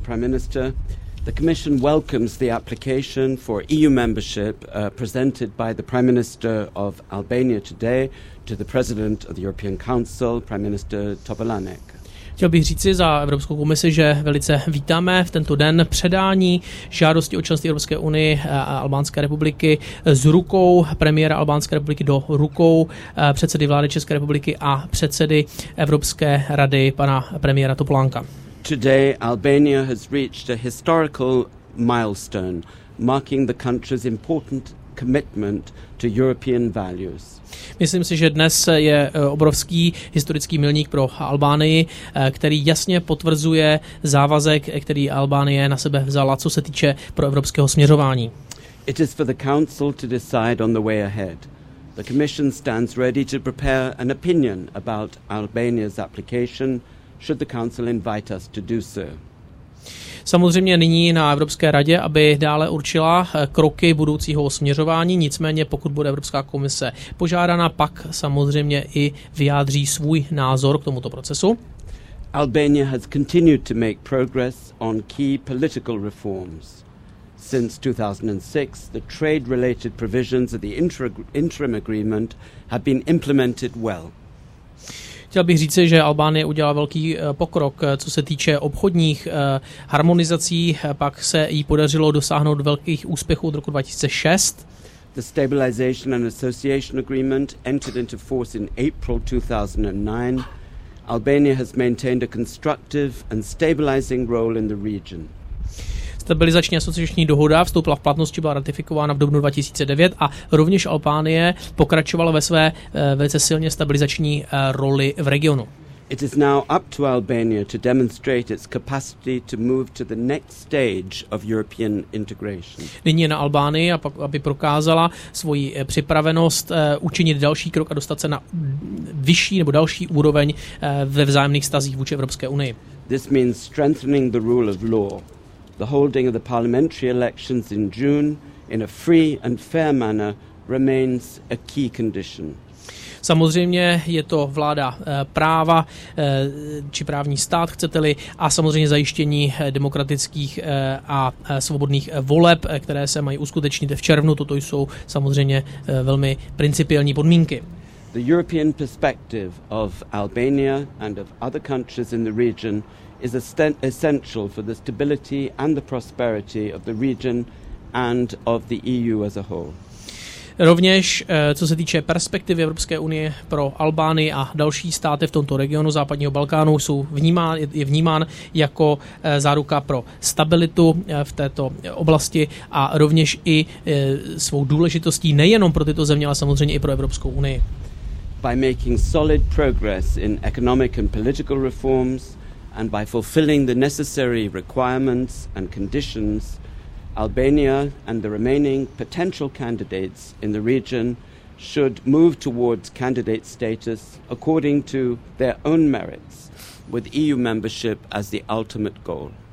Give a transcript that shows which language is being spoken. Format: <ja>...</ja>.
<en>Prime Minister, the Commission welcomes the application for EU membership presented by the Prime Minister of Albania today to the President of the European Council, Prime Minister Topolánek.</en> <cs>Chtěl bych říci za Evropskou komisi, že velice vítáme v tento den předání žádosti o členství Evropské unii Albánské republiky z rukou premiéra Albánské republiky do rukou předsedy vlády České republiky a předsedy Evropské rady pana premiéra Topolánka.</cs> <en>Today Albania has reached a historical milestone, marking the country's important commitment to European values.</en> <cs>Myslím si, že dnes je obrovský historický milník pro Albánii, který jasně potvrzuje závazek, který Albánie na sebe vzala, co se týče proevropského směřování.</cs> <en>It is for the council to decide on the way ahead. The commission stands ready to prepare an opinion about Albania's application should the council invite us to do so.</en> <cs>Samozřejmě nyní na Evropské radě, aby dále určila kroky budoucího směřování, nicméně pokud bude Evropská komise požádána, pak samozřejmě i vyjádří svůj názor k tomuto procesu.</cs> <en>Albania has continued to make progress on key political reforms. Since 2006, the trade-related provisions of the interim agreement have been implemented well.</en> <cs>Chtěl bych říci, že Albánie udělala velký pokrok, co se týče obchodních harmonizací, pak se jí podařilo dosáhnout velkých úspěchů od roku 2006.</cs> <en>The stabilization and association agreement entered into force in April 2009. Albania has maintained a constructive and stabilizing role in the region.</en> <cs>Stabilizační asociační dohoda vstoupila v platnosti, byla ratifikována v dubnu 2009 a rovněž Albánie pokračovala ve své velice silně stabilizační roli v regionu.</cs> <en>It is now up to Albania to demonstrate its capacity to move to the next stage of European integration.</en> <cs>Nyní je na Albánii, aby prokázala svoji připravenost učinit další krok a dostat se na vyšší nebo další úroveň ve vzájemných vztazích vůči Evropské unii.</cs> <en>This means strengthening the rule of law. The holding of the parliamentary elections in June in a free and fair manner remains a key condition.</en> <cs>Samozřejmě je to vláda práva či právní stát, chcete-li, a samozřejmě zajištění demokratických a svobodných voleb, které se mají uskutečnit v červnu, toto jsou samozřejmě velmi principiální podmínky.</cs> <en>The European perspective of Albania and of other countries in the region is essential for the stability and the prosperity of the region and of the EU as a whole.</en> <cs>Rovněž, co se týče perspektivy Evropské unie pro Albánii a další státy v tomto regionu západního Balkánu, je vnímán jako záruka pro stabilitu v této oblasti a rovněž i svou důležitostí nejenom pro tyto země, ale samozřejmě i pro Evropskou unii.</cs> <en>By making solid progress in economic and political reforms, and by fulfilling the necessary requirements and conditions, Albania and the remaining potential candidates in the region should move towards candidate status according to their own merits, with EU membership as the ultimate goal.</en>